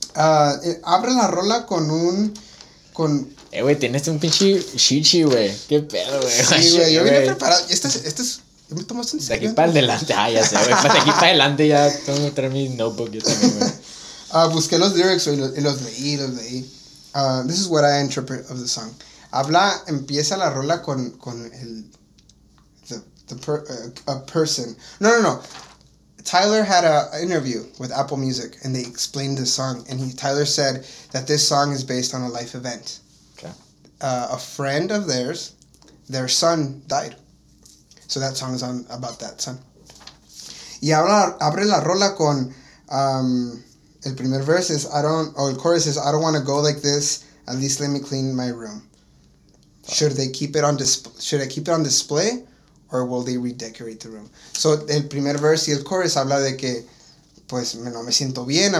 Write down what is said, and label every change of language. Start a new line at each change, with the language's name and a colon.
Spanish: Abre la rola con un... con... Güey, tienes un pinche chichi, güey. ¿Qué pedo, güey? Sí, güey, yo vine preparado. Este es... Yo me tomo esto en serio. De aquí para adelante, ya sé, güey. De aquí para adelante ya tengo que traer mi notebook. Yo también, güey. Busqué los lyrics, güey, y los leí.
English: This is what I interpret of the song.
Spanish: Empieza la rola con el...
English: a person. No. Tyler had an interview with Apple Music, and they explained the song. And Tyler said that this song is based on a life event. Okay. A friend of theirs, their son, died. So that song is on about that son.
Spanish: Y abre la rola con el primer
English: verse is el chorus is I don't want to go like this. At least let me clean my room. Should I keep it on display, or will they redecorate the room?
Spanish: So el primer verse y el chorus habla de que, pues no me siento bien.